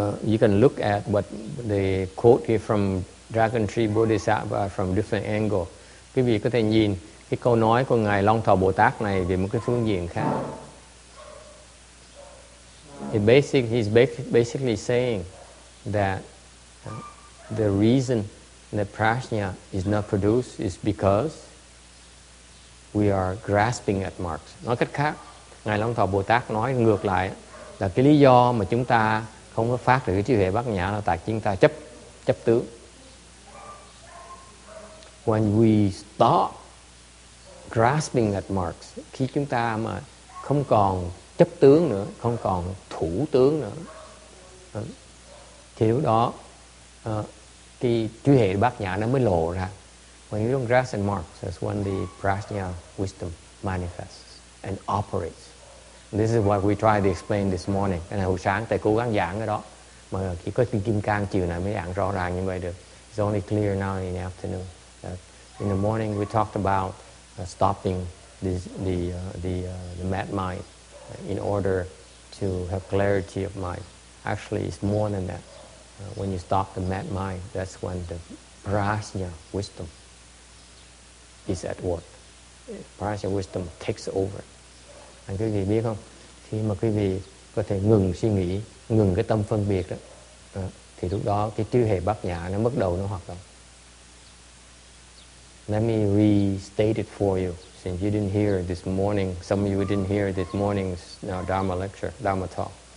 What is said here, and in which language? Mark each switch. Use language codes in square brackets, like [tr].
[en] You can look at what the quote here from Dragon Tree Bodhisattva from different angle. [vi] Quý vị có thể nhìn cái câu nói của Ngài Long Thọ Bồ Tát này về một cái phương diện khác. [en] He's basically saying that The reason that prajna is not produced is because we are grasping at marks. [vi] Nói cách khác, Ngài Long Thọ Bồ Tát nói ngược lại là cái lý do mà chúng ta không có phát được cái trí huệ bát nhã là tại chúng ta chấp tướng. [en] When we stop grasping at marks, [vi] khi chúng ta mà không còn chấp tướng nữa, không còn thủ tướng nữa, thì lúc đó cái trí huệ bát nhã nó mới lộ ra. [en] When you don't grasp at marks, that's when the prajna wisdom manifests and operates. This is what we tried to explain this morning. [vi] Cái này hồi sáng tại cố gắng giảng cái đó. Mà chỉ có Kim Cang chiều này mới giảng rõ ràng như vậy được. [en] It's only clear now in the afternoon. In the morning we talked about stopping the mad mind in order to have clarity of mind. Actually, it's more than that. When you stop the mad mind, that's when the prajna wisdom is at work. Prajna wisdom takes over. [vi] Anh quý vị biết không? Khi mà quý vị có thể ngừng suy nghĩ, ngừng cái tâm phân biệt đó, thì lúc đó cái trí huệ bát nhã nó bắt đầu nó hoạt động. [en] Let me restate it for you, since you didn't hear this morning, some of you didn't hear this morning's Dharma lecture, Dharma talk.